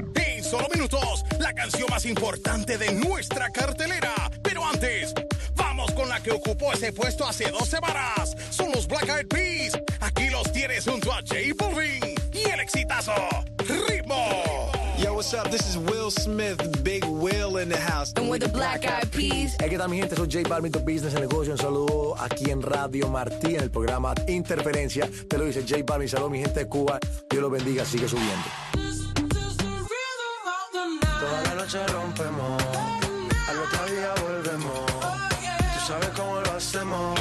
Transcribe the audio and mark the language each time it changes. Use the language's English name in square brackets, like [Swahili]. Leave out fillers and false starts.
[Spanish] En solo minutos, la canción más importante de nuestra cartelera. Pero antes, con la que ocupó ese puesto hace 2 semanas. Son los Black Eyed Peas. Aquí los tienes junto a J Balvin. Y el exitazo, Ritmo. [English] Yo, what's up? This is Will Smith, Big Will in the house. And with the Black Eyed Peas. [Spanish] Hey, ¿qué tal, mi gente? Soy Jay Balvin, tu business, el negocio. Un saludo aquí en Radio Martí, en el programa Interferencia. Te lo dice Jay Balvin. Saludo, mi gente de Cuba. Dios lo bendiga. Sigue subiendo. Toda la noche rompemos, al otro día volvemos. Tú sabes cómo lo hacemos.